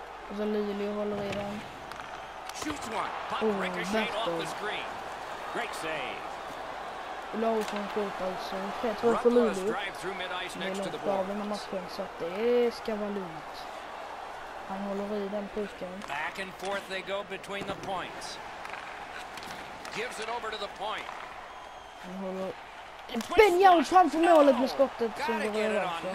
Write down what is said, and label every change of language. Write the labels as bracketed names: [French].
[Swedish] Och så Luleå håller i den. [English] Shoots one. Puck ricochet off the screen. Great save. [Swedish] Larsson skjuter alltså. Fett hård för Luleå. Det är långt av den här matchen, så att det ska vara lugnt. Han håller i den pucken. [English] Back and forth they go between the points. Gives it over to the point. [Swedish] Han håller. Ben Jarls framför målet med skottet som går över.